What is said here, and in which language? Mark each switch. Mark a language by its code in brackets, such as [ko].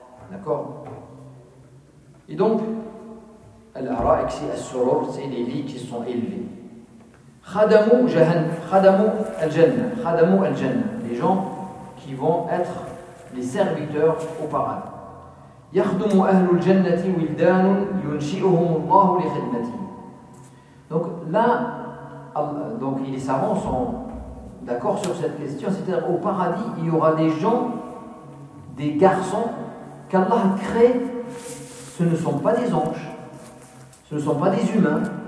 [fr] D'accord ? Et donc, al-ara'ik, c'est as-surur, c'est les lits qui sont élevés. [ar] Khadamu al-jannah. [fr] Les gens qui vont être les serviteurs au paradis. [ar] يخدم أهل الجنة ولدان ينشئهم الله لخدمته. [fr] Donc là, donc les savants sont d'accord sur cette question. C'est-à-dire au paradis, il y aura des gens, des garçons qu'Allah crée. Ce ne sont pas des anges, ce ne sont pas des humains.